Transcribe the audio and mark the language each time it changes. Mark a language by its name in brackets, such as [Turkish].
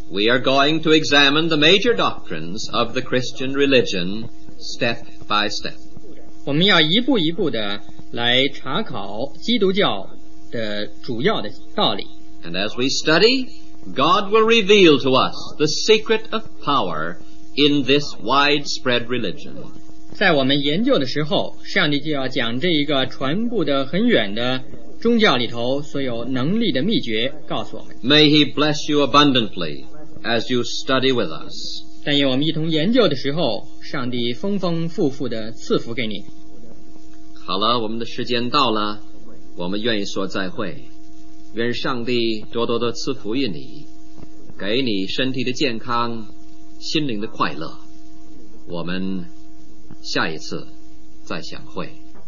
[English] We are going to examine the major doctrines of the Christian religion step by step. [Chinese] 我们要一步一步地来查考基督教的主要的道理。 [English] And as we study, God will reveal to us the secret of power in this widespread religion. [Chinese] 在我们研究的时候，上帝就要将这一个传播的很远的宗教里头所有能力的秘诀告诉我们。 [English] May he bless you abundantly as you study with us. [Chinese] 但愿我们一同研究的时候，上帝丰丰富富地赐福给你。好了，我们的时间到了，我们愿意说再会。愿上帝多多地赐福于你，给你身体的健康，心灵的快乐。 我们下一次再相会。